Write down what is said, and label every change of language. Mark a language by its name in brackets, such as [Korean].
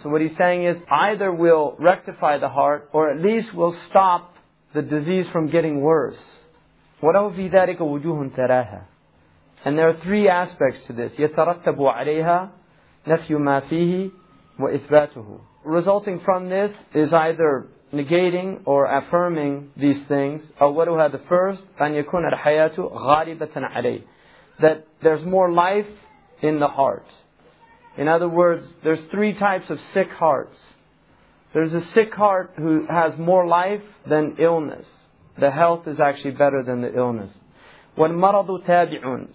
[English] So what he's saying is, either we'll rectify the heart, or at least we'll stop the disease from getting worse. [Arabic] وَلَوْ فِي ذَلِكَ وُجُوهٌ تَرَاهَا. [English] And there are three aspects to this. [Arabic] يَتَرَتَّبُ عَلَيْهَا نَفْيُ مَا فِيهِ وَإِثْبَاتُهُ. [English] Resulting from this is either negating or affirming these things. [Arabic] أَوَّلُهَا. [English] The first, [Arabic] أَنْ يَكُونَ الْحَيَاةُ غَالِبَةً عَلَيْهِ. [English] That there's more life in the heart. In other words, there's three types of sick hearts. There's a sick heart who has more life than illness. The health is actually better than the illness. [Arabic] وَالْمَرَضُ تَابِعٌ.